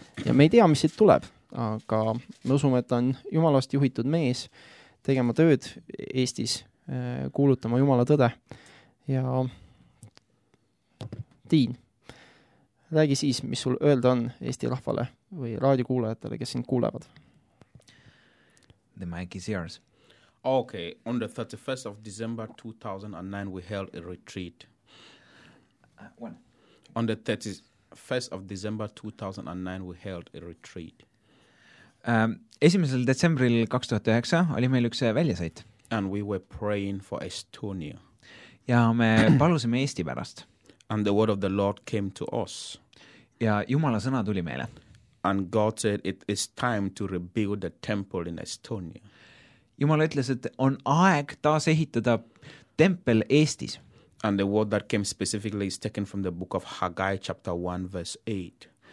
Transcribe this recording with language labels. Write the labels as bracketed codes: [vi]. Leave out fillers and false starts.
[et] Ja me ei tea, mis siit tuleb, aga me usume, et ta on jumalast juhitud mees tegema tööd Eestis, kuulutama jumala tõde. Ja Diin, räägi siis, mis sul öelda on Eesti rahvale või raadiokuulajatele, kes siin kuulevad. [en] The mic is yours. Okay, on the 31st of December 2009, we held a retreat. On the 31st of December 2009, we held a retreat. [et] Esimesel detsembril 2009 oli meil üks väljasõit. [en] And we were praying for Estonia. [et] Ja me palusime Eesti pärast. [en] And the word of the Lord came to us. [et] Ja Jumala sõna tuli meile. [en] And God said, it is time to rebuild the temple in Estonia. [et] Jumala ütles, et on aeg taas ehitada tempel Eestis. [en] And the word that came specifically is taken from the book of Haggai, chapter 1, verse 8.